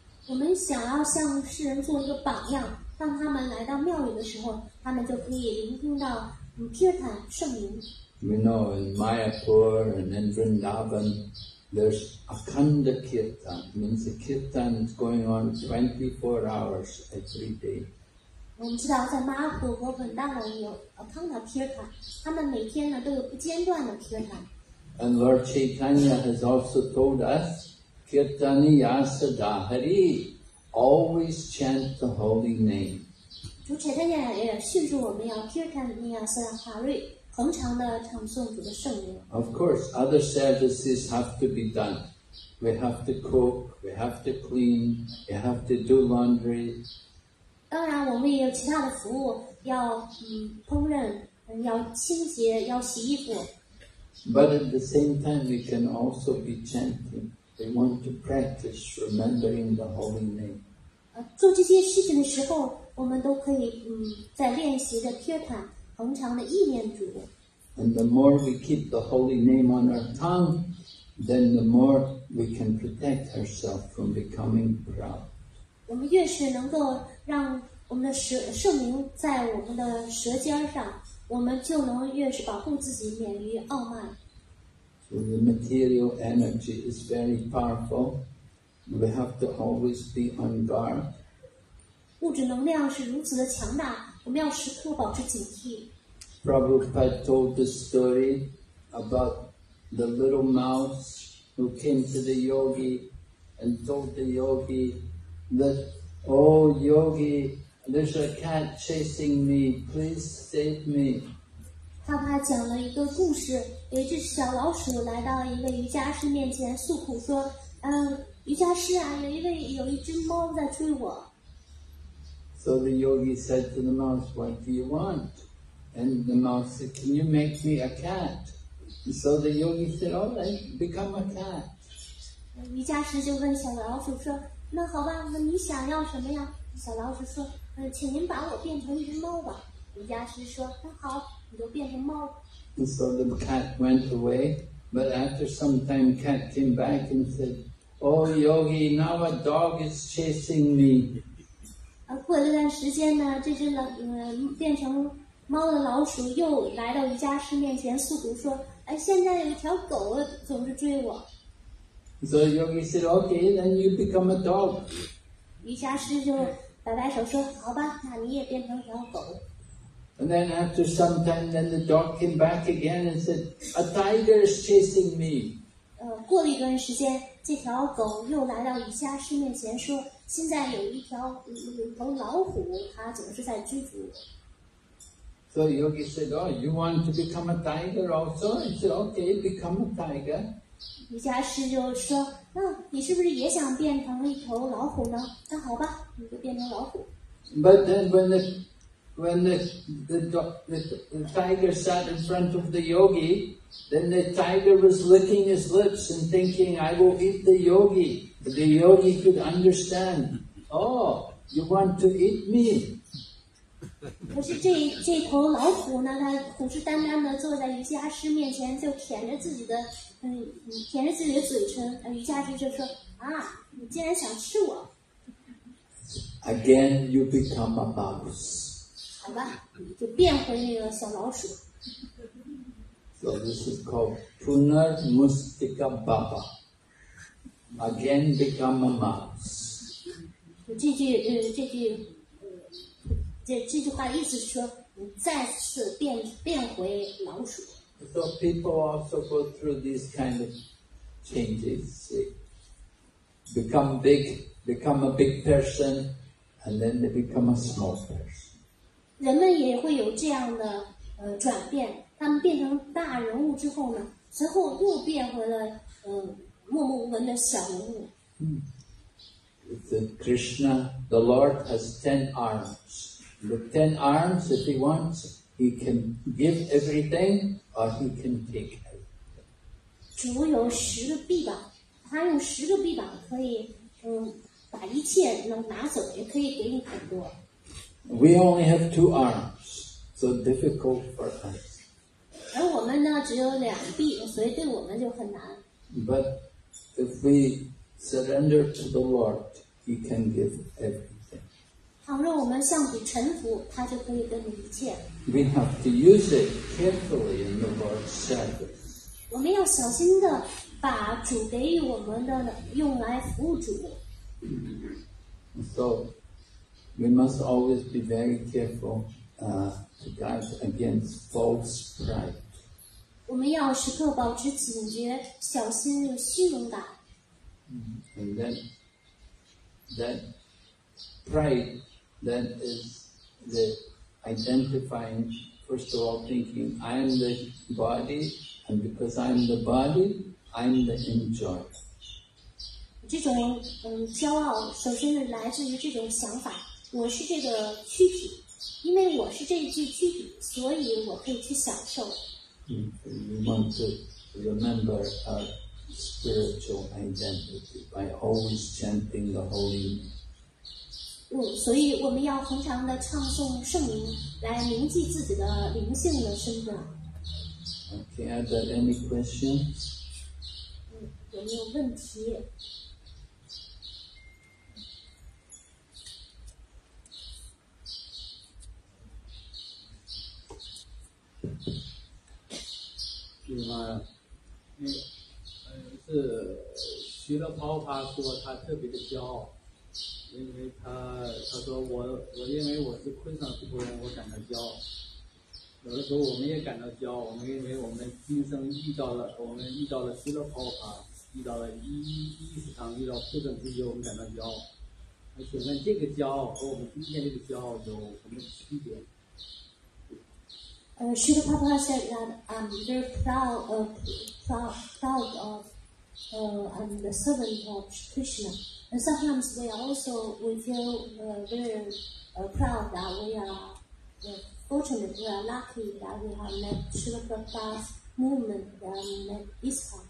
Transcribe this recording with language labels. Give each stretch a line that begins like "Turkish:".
Chinese: 我们想要向世人做一个榜样，当他们来到庙里的时候，他们就可以聆听到 Kirtan 圣名。
English: We know in Mayapur and in Vrindavan, there's Akhanda Kirtan. It means the Kirtan is going on 24 hours every day.
Chinese: 我们知道在 Mayapur 和 Vrindavan 有 Akhanda Kirtan， 他们每天呢都有不间断的 Kirtan。
English: And Lord Chaitanya has also told us,
Sanskrit: Kirtani Yasa Dahari,
English: always chant the holy name.
Chinese: 主 Chaitanya 也训斥我们要
Sanskrit: Kirtani Yasa Dahari,
Chinese: 恒常的唱诵主的圣名。
English: Of course, other services have to be done. We have to cook, we have to clean, we have to do laundry.
Chinese: 当然我们也有其他的服务要烹饪，要清洁，要洗衣服。
English: But at the same time, we can also be chanting. We want to practice remembering the holy name.
Chinese: 做这些事情的时候，我们都可以在练习着 Kirtan， 恒常的意念主。
English: And the more we keep the holy name on our tongue, then the more we can protect ourselves from becoming proud.
Chinese: 我们越是能够让我们的圣名在我们的舌尖上。我们就能越是保护自己免于傲慢。
English: So the material energy is very powerful. We have to always be on guard.
Chinese: 物质能量是如此的强大，我们要时刻保持警惕。
English: Prabhupada told the story about the little mouse who came to the yogi and told the yogi that, "Oh, yogi." There's a cat chasing me. Please save me.
Chinese: 他爸讲了一个故事，有一只小老鼠来到一个瑜伽师面前诉苦说，瑜伽师啊，有一只猫在追我。
English: So the yogi said to the mouse, what do you want? And the mouse said, can you make me a cat? So the yogi said, all right, become a cat.
Chinese: 瑜伽师就问小老鼠说，那好吧，那你想要什么呀？小老鼠说，请您把我变成一只猫吧。瑜伽师说，那好，你就变成猫。
English: And so the cat went away, but after some time, cat came back and said,Oh, Yogi, now a dog is chasing me.
Chinese: 过了段时间呢，这只变成猫的老鼠又来到瑜伽师面前诉苦说，哎，现在有一条狗总是追我。
English: So Yogi said, okay, then you become a dog.
Chinese: 瑜伽师就摆摆手说，好吧，那你也变成条狗。
English: And then after some time, then the dog came back again and said, a tiger is chasing me.
Chinese: 过了一段时间，这条狗又来到瑜伽师面前说，现在有一头老虎，它总是在追逐。
English: So Yogi said, oh, you want to become a tiger also? He said, okay, become a tiger.
Chinese: 瑜伽师就说，你是不是也想变成一头老虎呢？那好吧，你就变成老虎。
English: But then when the tiger sat in front of the yogi,Then the tiger was licking his lips and thinking, I will eat the yogi. But the yogi could understand, oh, you want to eat me?
Chinese: 可是这头老虎呢，它虎视眈眈地坐在瑜伽师面前，就舔着自己的嘴唇。瑜伽师就说，你竟然想吃我。
English: Again, you become a mouse.
Chinese: 好吧，就变回那个小老鼠。
English: So this is called
Sanskrit: Punar Mustika Baba.
English: Again become a mouse.
Chinese: 这句话意思是说，再次变回老鼠。
English: So people also go through these kind of changes. See? Become big, become a big person, and then they become a small person.
Chinese: 人们也会有这样的转变。他们变成大人物之后呢，随后又变回了默默无闻的小人物。
English: Krishna, the Lord has 10 arms. The 10 arms, if he wants, he can give everything or he can take it.
Chinese: 主有十个臂膀，他用十个臂膀可以把一切能拿走，也可以给你很多。
English: We only have 2 arms, so difficult for us.
Chinese: 而我们呢，只有两臂，所以对我们就很难。
English: But if we surrender to the Lord, He can give everything.
Chinese: 倘若我们向主臣服，他就可以给你一切。
English: We have to use it carefully in the Lord's service.
Chinese: 我们要小心的把主给予我们的用来服务主。
English: So we must always be very careful. To guard against false pride.
Chinese: 我们要时刻保持警觉，小心虚荣感。
English: And that pride then is the identifying, first of all, thinking, I am the body, and because I am the body, I am the enjoyer.
Chinese: 这种骄傲首先是来自于这种想法，我是这个躯体。因为我是这一具躯体，所以我可以去享受。
English: You want to remember our spiritual identity by always chanting the holy name.
Chinese: 所以我们要恒常的唱诵圣名，来铭记自己的灵性的身份。
English: Okay, are there any questions?
Chinese: 有没有问题？是吗？是徐德涛他说他特别的骄傲，因为他说我因为我是昆山出生，我感到骄傲。有的时候我们也感到骄傲，我们因为我们今生遇到了徐德涛他，遇到了一场遇到昆山之友，我们感到骄傲。请问这个骄傲和我们今天这个骄傲有什么区别？
English: Srila Prabhupada said that I'm very proud of I'm the servant of Krishna. And sometimes we feel very proud that we are fortunate, we are lucky that we have met Srila Prabhupada's movement and met ISKCON.